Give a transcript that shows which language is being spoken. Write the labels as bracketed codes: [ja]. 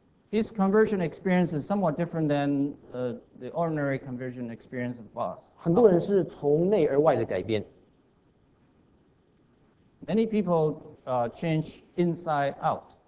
[en] His conversion experience is somewhat different than the ordinary conversion experience of us. [zh] 很多人是从内而外的改变。 [en] Many people change inside out.